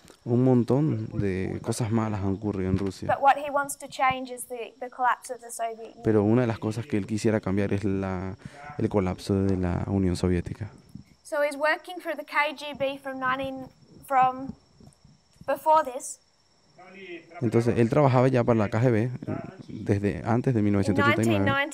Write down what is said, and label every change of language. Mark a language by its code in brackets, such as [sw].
[es] Un montón de cosas malas han ocurrido en Rusia. [en] But what he wants to change is the collapse of the Soviet Union. [es] Pero una de las cosas que él quisiera cambiar es el colapso de la Unión Soviética. [en] So he's working for the KGB from before this. [es] No, Entonces, él trabajaba ya para la KGB desde antes de 1989.